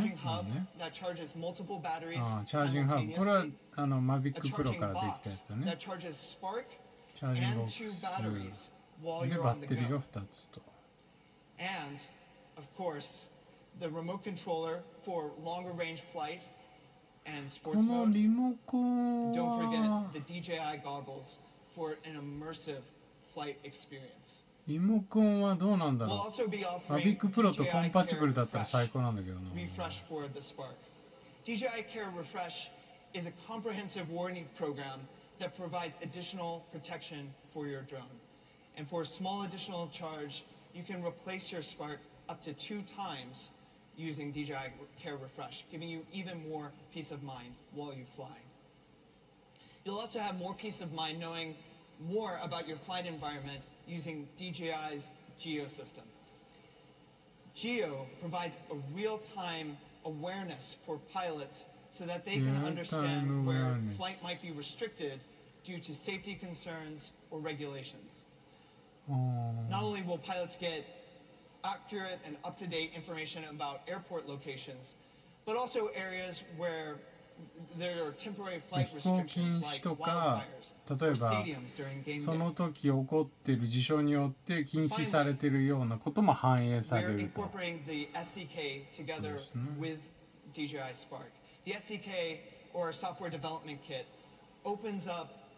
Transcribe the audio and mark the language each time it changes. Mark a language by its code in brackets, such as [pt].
[ja] ね、チャージングハブ。これはマビックプロからできたやつだね。チャージングボックス。で、バッテリーが2つと。 [en] And, of course, the remote controller for longer range flight and sports mode. Don't forget the DJI goggles for an immersive flight experience. [ja] リモコンはどうなんだろう。マビックプロとコンパチブルだったら最高なんだけどな。 [en] Refresh for the Spark. DJI Care Refresh is a comprehensive warning program that provides additional protection for your drone. And for a small additional charge,You can replace your Spark up to 2 times using DJI Care Refresh, giving you even more peace of mind while you fly. You'll also have more peace of mind knowing more about your flight environment using DJI's Geo system. Geo provides a real-time awareness for pilots so that they can understand where flight might be restricted due to safety concerns or regulations. Not only will pilots get accurate and up-to-date information about airport locations, but also areas where there are temporary flight restrictions like wildfires or stadiums during game day. [ja] その時起こっている事象によって禁止されているようなことも反映されると。 [en] We're incorporating the SDK together with DJI Spark. The SDK or software development kit opens up.